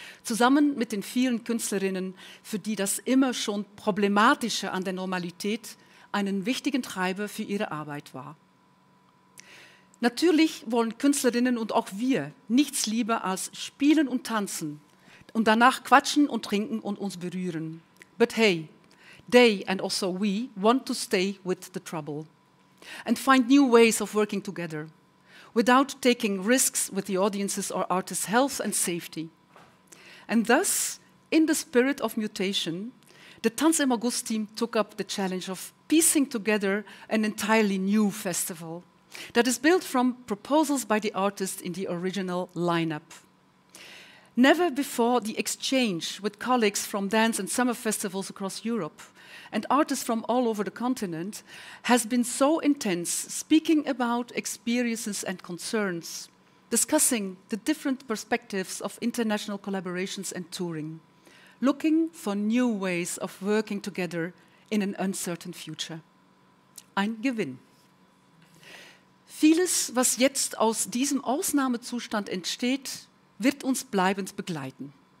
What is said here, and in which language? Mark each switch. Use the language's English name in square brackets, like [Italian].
[German] Zusammen mit den vielen Künstlerinnen, für die das immer schon Problematische an der Normalität einen wichtigen Treiber für ihre Arbeit war. Natürlich wollen Künstlerinnen und auch wir nichts lieber als spielen und tanzen und danach quatschen und trinken und uns berühren. [English] But hey, they and also we want to stay with the trouble and find new ways of working together, without taking risks with the audience's or artists' health and safety. And thus, in the spirit of mutation, the Tanz im August team took up the challenge of piecing together an entirely new festival that is built from proposals by the artists in the original lineup. Never before the exchange with colleagues from dance and summer festivals across Europe and artists from all over the continent has been so intense, speaking about experiences and concerns, discussing the different perspectives of international collaborations and touring, looking for new ways of working together in an uncertain future. [German] Ein Gewinn. Vieles, was jetzt aus diesem Ausnahmezustand entsteht, wird uns bleibend begleiten.